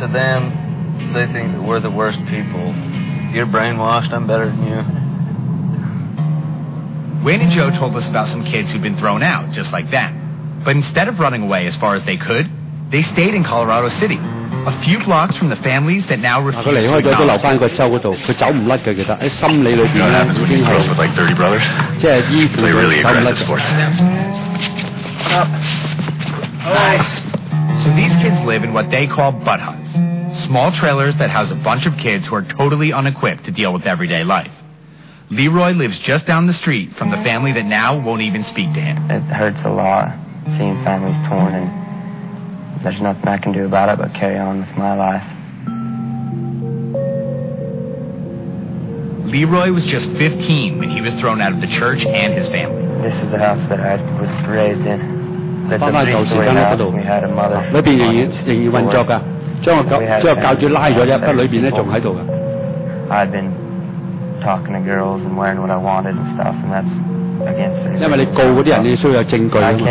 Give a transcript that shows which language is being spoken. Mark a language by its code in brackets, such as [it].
[en] To them, they think that we're the worst people. You're brainwashed, I'm better than you. Wayne and Joe told us about some kids who've been thrown out, just like that. But instead of running away as far as they could, they stayed in Colorado City, a few blocks from the families that now refuse to acknowledge. [yue] 他離開咗都留翻個州嗰度，佢走唔甩嘅。其實喺心理裏邊已經係，即係依附佢走唔甩嘅。 [en] Hi. So these kids live in what they call butt huts, small trailers that house a bunch of kids who are totally unequipped to deal with everyday life. Leroy lives just down the street from the family that now won't even speak to him. It hurts a lot seeing families torn and. There's nothing I can do about it but carry on with my life. Leroy was just 15 when he was thrown out of the church and his family. This is the house that I was raised in. I've been talking to girls and wearing what I wanted and stuff, and that's. [yue] 因為你告嗰啲人，你需要有證據啊